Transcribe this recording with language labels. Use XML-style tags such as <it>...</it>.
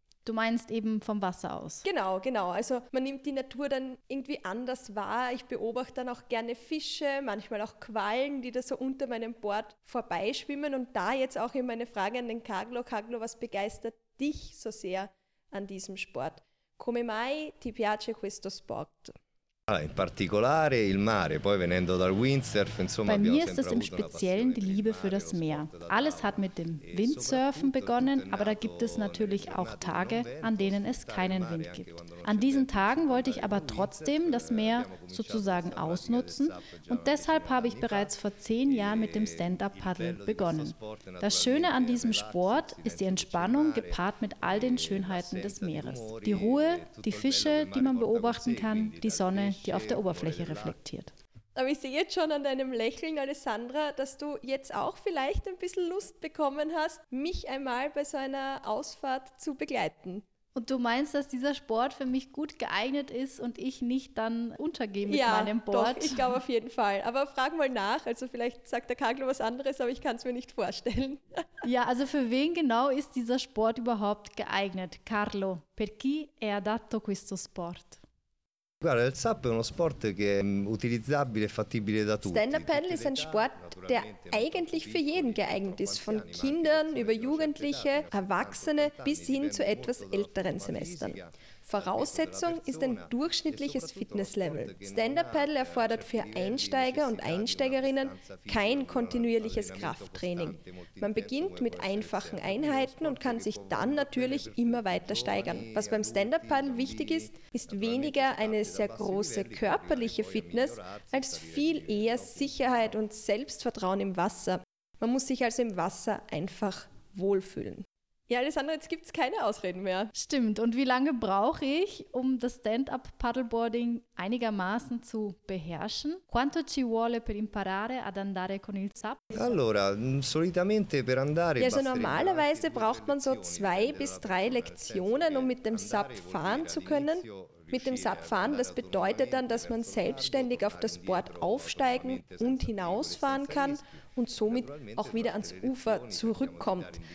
<de>Du meinst eben vom Wasser aus? Genau, genau. Also man nimmt die Natur dann irgendwie anders wahr. Ich beobachte dann auch gerne Fische, manchmal auch Quallen, die da so unter meinem Board vorbeischwimmen. Und da jetzt auch eben meine Frage an den Carlo. Carlo, was begeistert dich so sehr an diesem Sport?</de> <it>Come mai ti piace questo sport? In particolare il mare, poi venendo dal windsurf, insomma,</it> <de>bei mir ist es im Speziellen die Liebe für das Meer. Alles hat mit dem Windsurfen begonnen, aber da gibt es natürlich auch Tage, an denen es keinen Wind gibt. An diesen Tagen wollte ich aber trotzdem das Meer sozusagen ausnutzen und deshalb habe ich bereits vor 10 Jahren mit dem Stand-up-Paddle begonnen. Das Schöne an diesem Sport ist die Entspannung gepaart mit all den Schönheiten des Meeres. Die Ruhe, die Fische, die man beobachten kann, die Sonne, die auf der Oberfläche reflektiert. Aber ich sehe jetzt schon an deinem Lächeln, Alessandra, dass du jetzt auch vielleicht ein bisschen Lust bekommen hast, mich einmal bei so einer Ausfahrt zu begleiten. Und du meinst, dass dieser Sport für mich gut geeignet ist und ich nicht dann untergehe mit meinem Board? Ja, doch, ich glaube auf jeden Fall. Aber frag mal nach, also vielleicht sagt der Kagel was anderes, aber ich kann es mir nicht vorstellen. Ja, also für wen genau ist dieser Sport überhaupt geeignet?</de> <it>Carlo, per chi è adatto questo sport? Guarda, il SUP è uno sport che è utilizzabile e fattibile da tutti.</it> <de>Stand-up Paddle ist ein Sport, der eigentlich für jeden geeignet ist, von Kindern über Jugendliche, Erwachsene bis hin zu etwas älteren Semestern. Voraussetzung ist ein durchschnittliches Fitnesslevel. Stand-up Paddle erfordert für Einsteiger und Einsteigerinnen kein kontinuierliches Krafttraining. Man beginnt mit einfachen Einheiten und kann sich dann natürlich immer weiter steigern. Was beim Stand-up Paddle wichtig ist, ist weniger eine sehr große körperliche Fitness, als viel eher Sicherheit und Selbstvertrauen im Wasser. Man muss sich also im Wasser einfach wohlfühlen. Ja, Alessandra, jetzt gibt es keine Ausreden mehr. Stimmt. Und wie lange brauche ich, um das Stand-up-Paddleboarding einigermaßen zu beherrschen?</de> <it>Quanto ci vuole per imparare ad andare con il SUP? Allora, solitamente per andare...</it> <de>Ja, also normalerweise braucht man so 2 bis 3 Lektionen, um mit dem SUP fahren zu können. Mit dem SUP fahren, das bedeutet dann, dass man selbstständig auf das Board aufsteigen und hinausfahren kann und somit auch wieder ans Ufer zurückkommt.</de>